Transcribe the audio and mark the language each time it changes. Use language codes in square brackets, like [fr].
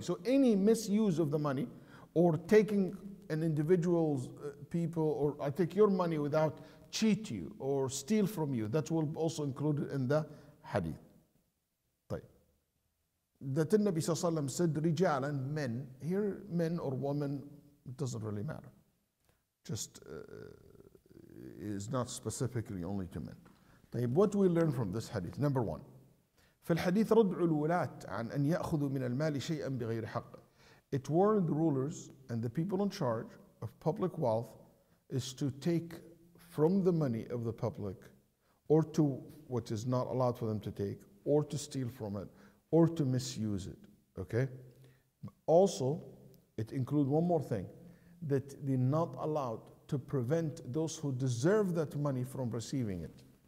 [en] So any misuse of the money or taking an individual's people, or I take your money without cheat you or steal from you, that will also include in the hadith. That the Nabi said, rijalan, men, here men or women, it doesn't really matter. Just is not specifically only to men. [ar] طيب, [en] what do we learn from this hadith? Number one, [ar] في الحديث ردع الولات عن أن يأخذوا من المال شيئا بغير حق. [en] It warned the rulers and the people in charge of public wealth is to take from the money of the public or to what is not allowed for them to take or to steal from it or to misuse it, okay? Also, it includes one more thing, that they're not allowed to prevent those who deserve that money from receiving it.